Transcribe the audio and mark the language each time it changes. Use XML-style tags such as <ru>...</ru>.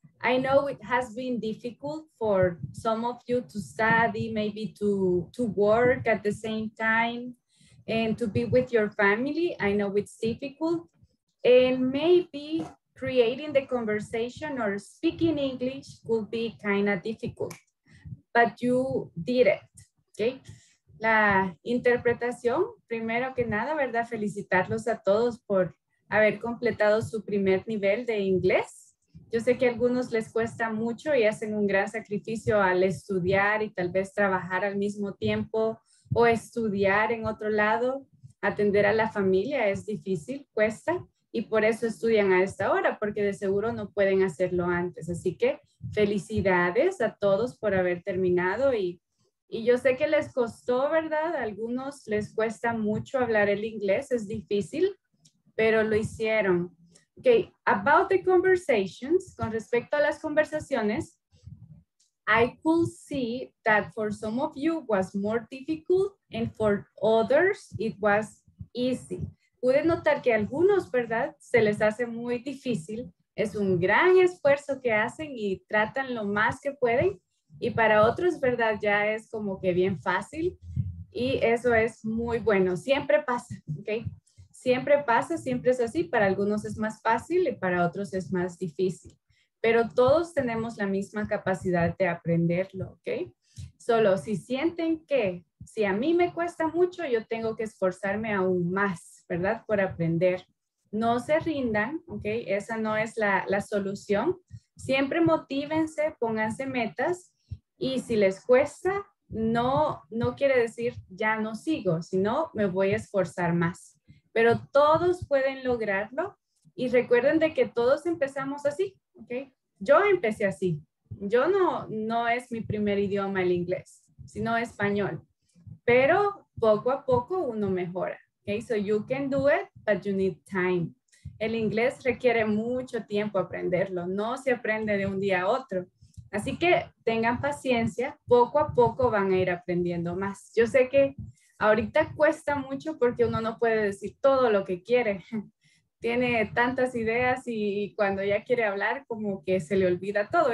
<en>I know it has been difficult for some of you to study, maybe to work at the same time, and to be with your family. I know it's difficult. And maybe creating the conversation or speaking English will be kind of difficult, but you did it, okay?</en> <es>La interpretación, primero que nada, ¿verdad? Felicitarlos a todos por haber completado su primer nivel de inglés. Yo sé que a algunos les cuesta mucho y hacen un gran sacrificio al estudiar y tal vez trabajar al mismo tiempo, o estudiar en otro lado, atender a la familia es difícil, cuesta, y por eso estudian a esta hora, porque de seguro no pueden hacerlo antes. Así que felicidades a todos por haber terminado y yo sé que les costó, ¿verdad? A algunos les cuesta mucho hablar el inglés, es difícil, pero lo hicieron.</es> <en>Okay, about the conversations,</en> <es>con respecto a las conversaciones,</es> <en>I could see that for some of you was more difficult and for others it was easy.</en> <es>Pude notar que a algunos, ¿verdad?, se les hace muy difícil. Es un gran esfuerzo que hacen y tratan lo más que pueden. Y para otros, ¿verdad?, ya es como que bien fácil. Y eso es muy bueno. Siempre pasa, ¿ok? Siempre pasa, siempre es así. Para algunos es más fácil y para otros es más difícil. Pero todos tenemos la misma capacidad de aprenderlo, ¿ok? Solo si sienten que si a mí me cuesta mucho, yo tengo que esforzarme aún más, ¿verdad? Por aprender. No se rindan, ¿ok? Esa no es la solución. Siempre motívense, pónganse metas y si les cuesta, no quiere decir ya no sigo, sino me voy a esforzar más. Pero todos pueden lograrlo y recuerden de que todos empezamos así. Okay. Yo empecé así. Yo no es mi primer idioma el inglés, sino español. Pero poco a poco uno mejora. Okay.</es> <en>So you can do it, but you need time.</en> <es>El inglés requiere mucho tiempo aprenderlo. No se aprende de un día a otro. Así que tengan paciencia. Poco a poco van a ir aprendiendo más. Yo sé que ahorita cuesta mucho porque uno no puede decir todo lo que quiere. Tiene tantas ideas y cuando ya quiere hablar, como que se le olvida todo.</es>